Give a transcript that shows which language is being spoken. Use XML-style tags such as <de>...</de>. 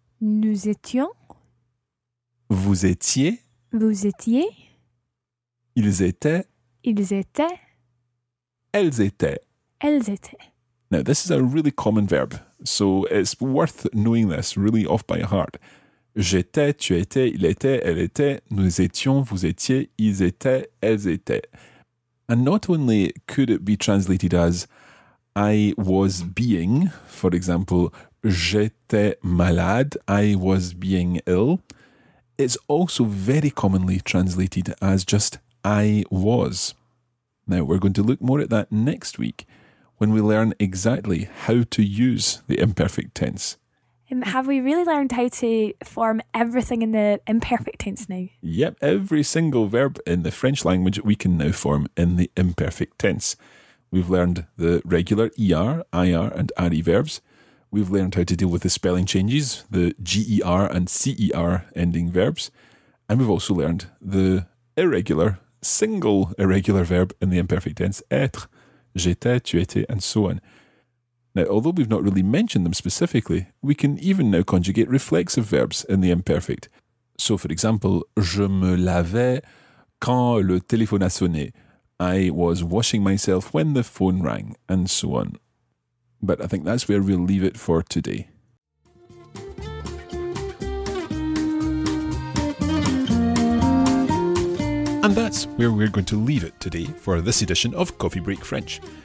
<fr>Nous étions. Vous étiez. Vous étiez. Ils étaient. Ils étaient. Elles étaient. Elles étaient.</fr> <en>Now, this is a really common verb, so it's worth knowing this really off by heart.</en> <fr>J'étais, tu étais, il était, elle était, nous étions, vous étiez, ils étaient, elles étaient.</fr> <en>And not only could it be translated as I was being, for example,</en> <fr>j'étais malade,</fr> <en>I was being ill, it's also very commonly translated as just I was. Now, we're going to look more at that next week when we learn exactly how to use the imperfect tense. Have we really learned how to form everything in the imperfect tense now? Yep, every single verb in the French language we can now form in the imperfect tense. We've learned the regular ER, IR and RE verbs. We've learned how to deal with the spelling changes, the GER and CER ending verbs. And we've also learned the irregular, single irregular verb in the imperfect tense, être,</en> <fr>j'étais, tu étais,</fr> <en>and so on. Now, although we've not really mentioned them specifically, we can even now conjugate reflexive verbs in the imperfect. So, for example,</en> <fr>je me lavais quand le téléphone a sonné.</fr> <en>I was washing myself when the phone rang, and so on. But I think that's where we'll leave it for today. And that's where we're going to leave it today for this edition of Coffee Break French.</en>